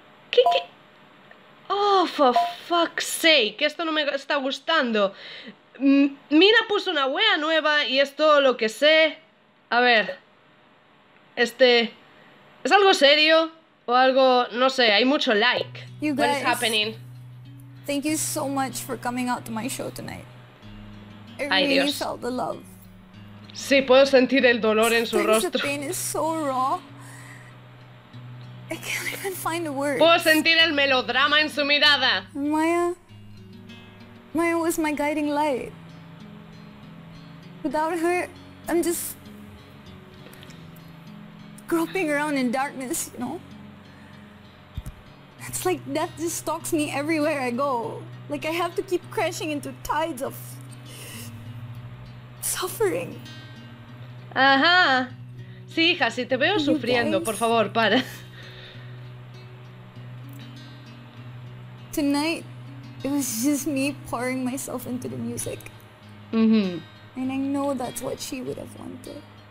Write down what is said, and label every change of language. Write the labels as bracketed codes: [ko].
[es] ¿Qué? [en] Oh, for fuck's sake, [es] esto no me está gustando. Mira, puso una wea nueva y es todo lo que sé. A ver. ¿Es algo serio? O algo, no sé, hay mucho like. [en] You guys, what is happening? Thank you so much for coming out to my show tonight. Felt the love. [es] Sí, puedo sentir el dolor en su rostro. [en] The pain is so raw. I can't even find the words. [es] Puedo sentir el melodrama en su mirada. [en] Maya was my guiding light. Without her, I'm just groping around in darkness, you know? It's like death just stalks me everywhere I go. Like I have to keep crashing into tides of suffering. Ajá. [es] Sí, hija, si te veo sufriendo, por favor, para. [en] Tonight, it was just me pouring myself into the music. Mm-hmm. And I know that's what she would have wanted.